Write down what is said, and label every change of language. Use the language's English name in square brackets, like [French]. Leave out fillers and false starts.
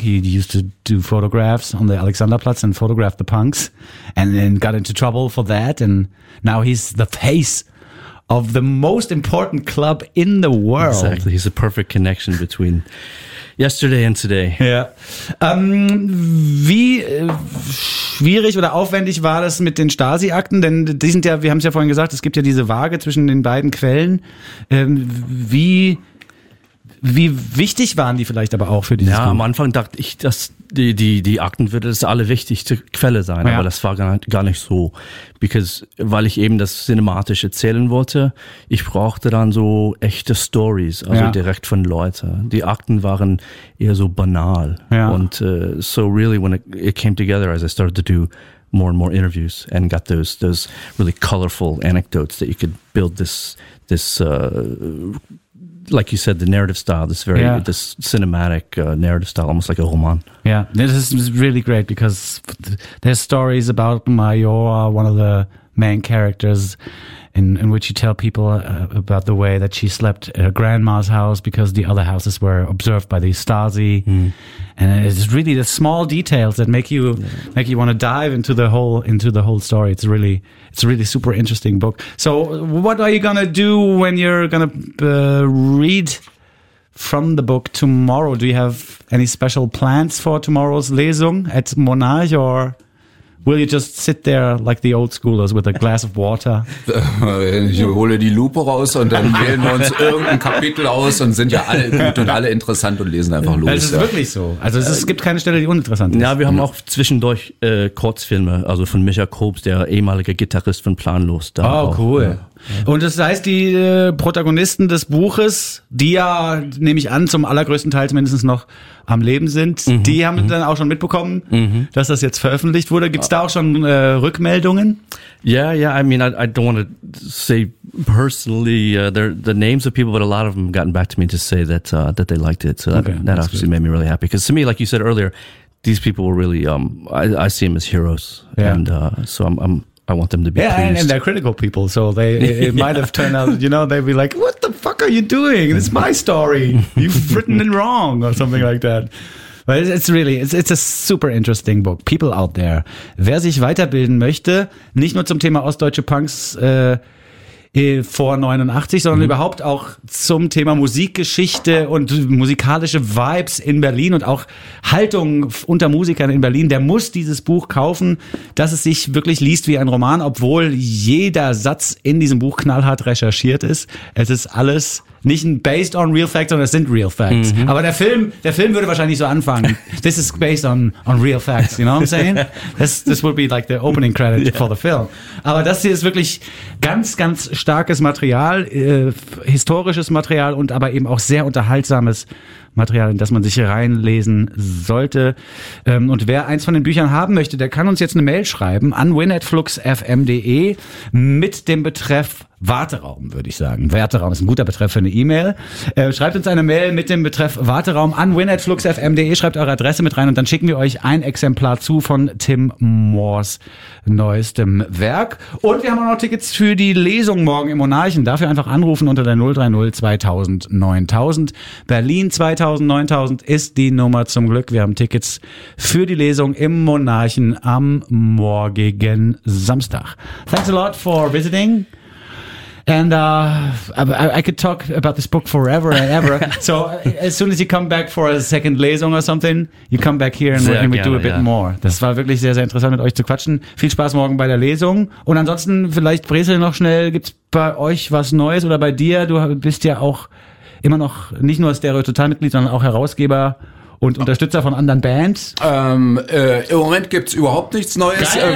[English] He used to do photographs on the Alexanderplatz and photograph the punks and then got into trouble for that. And now he's the face of the most important club in the world. Exactly. He's a perfect connection between yesterday and today. Yeah. [German] Wie schwierig oder aufwendig war das mit den Stasi-Akten? Denn die sind ja, wir haben es ja vorhin gesagt, es gibt ja diese Waage zwischen den beiden Quellen. Wie wichtig waren die vielleicht aber auch für dieses Buch? Ja, am Anfang dachte ich, dass die Akten würde das alle wichtigste Quelle sein, aber das war gar nicht so, weil ich eben das cinematisch erzählen wollte. Ich brauchte dann so echte Stories, also direkt von Leuten. Die Akten waren eher so banal und so [English] really when it came together, as I started to do more and more interviews and got those really colorful anecdotes that you could build this like you said, the narrative style, this very, this cinematic narrative style, almost like a roman. Yeah, this is really great because there's stories about Major, one of the main characters, in which you tell people about the way that she slept at her grandma's house because the other houses were observed by the Stasi. Mm. And it's really the small details that make you want to dive into the whole story. It's a really super interesting book. So what are you going to do when you're going to read from the book tomorrow. Do you have any special plans for tomorrow's Lesung at Monarch, or will you just sit there like the old schoolers with a glass of water? [German] Ich hole die Lupe raus und dann wählen wir uns irgendein Kapitel aus und sind ja alle gut und alle interessant und lesen einfach los. Das ist wirklich so. Also es gibt keine Stelle, die uninteressant ist. Ja, wir haben auch zwischendurch Kurzfilme, also von Micha Kobs, der ehemalige Gitarrist von Planlos. Da oh, auch, cool. Ja. Und das heißt, die Protagonisten des Buches, die ja, nehme ich an, zum allergrößten Teil zumindest noch am Leben sind, die haben dann auch schon mitbekommen, dass das jetzt veröffentlicht wurde. Gibt es da auch schon Rückmeldungen? [English] Yeah, yeah, I mean, I don't want to say personally the names of people, but a lot of them gotten back to me to say that that they liked it. So okay, that obviously good. Made me really happy. Because to me, like you said earlier, these people were really, I see them as heroes. Yeah. And so I'm I want them to be pleased. Yeah, and they're critical people, so they it might have turned out, you know, they'd be like, what the fuck are you doing? It's my story. You've written it wrong or something like that. But it's really, it's a super interesting book. People out there. [German] Wer sich weiterbilden möchte, nicht nur zum Thema ostdeutsche Punks vor 89, sondern überhaupt auch zum Thema Musikgeschichte und musikalische Vibes in Berlin und auch Haltung unter Musikern in Berlin, der muss dieses Buch kaufen, dass es sich wirklich liest wie ein Roman, obwohl jeder Satz in diesem Buch knallhart recherchiert ist. Es ist alles nicht ein [English] based on real facts, [German] sondern es sind real facts. Mhm. Aber der Film würde wahrscheinlich so anfangen. [English] This is based on real facts, you know what I'm saying? This would be like the opening credit for the film. [German] Aber das hier ist wirklich ganz, ganz starkes Material, historisches Material und aber eben auch sehr unterhaltsames Material, in das man sich reinlesen sollte. Und wer eins von den Büchern haben möchte, der kann uns jetzt eine Mail schreiben an win@fluxfm.de mit dem Betreff Warteraum, würde ich sagen. Warteraum ist ein guter Betreff für eine E-Mail. Schreibt uns eine Mail mit dem Betreff Warteraum an win@fluxfm.de, schreibt eure Adresse mit rein und dann schicken wir euch ein Exemplar zu von Tim Moores neuestem Werk. Und wir haben auch noch Tickets für die Lesung morgen im Monarchen. Dafür einfach anrufen unter der 030 2000 9000. Berlin 2000 9000 ist die Nummer zum Glück. Wir haben Tickets für die Lesung im Monarchen am morgigen Samstag. [English] Thanks a lot for visiting. And I could talk about this book forever and ever. So as soon as you come back for a second Lesung or something, you come back here and we do a bit more. [German] Das war wirklich sehr, sehr interessant, mit euch zu quatschen. Viel Spaß morgen bei der Lesung. Und ansonsten vielleicht, Bresel, noch schnell, gibt's bei euch was Neues oder bei dir? Du bist ja auch immer noch nicht nur Stereo-Total-Mitglied, sondern auch Herausgeber und Unterstützer von anderen Bands? Im Moment gibt's überhaupt nichts Neues. Geil.